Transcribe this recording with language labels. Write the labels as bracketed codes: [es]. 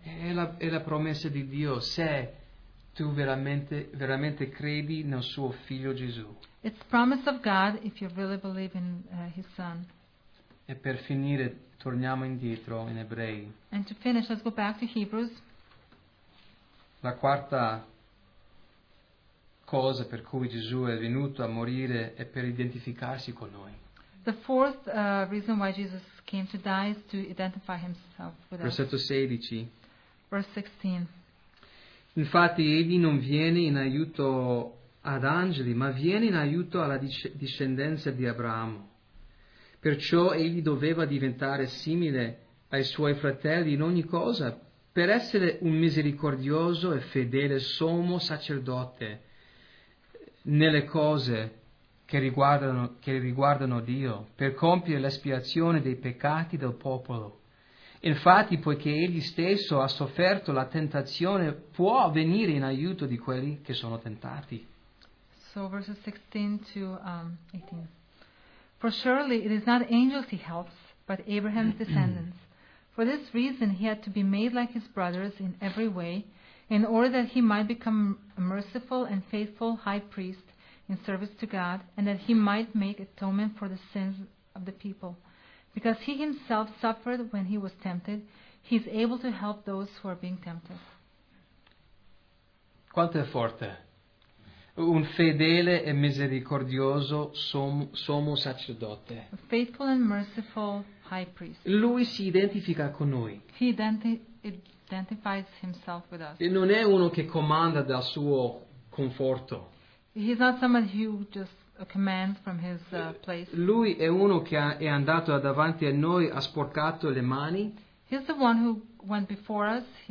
[it] È la promessa di Dio se tu veramente credi nel suo figlio Gesù. [en] It's promise of God if you really believe in his son. [it] E per finire torniamo indietro in Ebrei. [en] And to finish, let's go back to Hebrews. [it] La quarta cosa per cui Gesù è venuto a morire è per identificarsi con noi. [en] The fourth reason why Jesus came to die is to identify himself with [it] Versetto [en] us. [it] Versetto 16. [en] Verse 16. [it] Infatti egli non viene in aiuto ad angeli, ma viene in aiuto alla discendenza di Abramo. Perciò egli doveva diventare simile ai suoi fratelli in ogni cosa, per essere un misericordioso e fedele sommo sacerdote nelle cose che riguardano Dio, per compiere l'espiazione dei peccati del popolo. Infatti, poiché egli stesso ha sofferto la tentazione, può venire in aiuto di quelli che sono tentati. [en] So verses 16 to 18. For surely it is not angels he helps, but Abraham's descendants. For this reason he had to be made like his brothers in every way, in order that he might become a merciful and faithful high priest in service to God, and that he might make atonement for the sins of the people. Because he himself suffered when he was tempted, he is able to help those who are being tempted. [it] Quanto è forte? Un fedele e misericordioso sommo sacerdote. [en] A faithful and merciful high priest. [it] Lui si identifica con noi. [en] He identifies himself with us. [it] E non è uno che comanda dal suo conforto. [en] He's not someone who just commands from his place. [it] Lui è uno che è andato davanti a noi, ha sporcato le mani. [en] He's the one who went before us.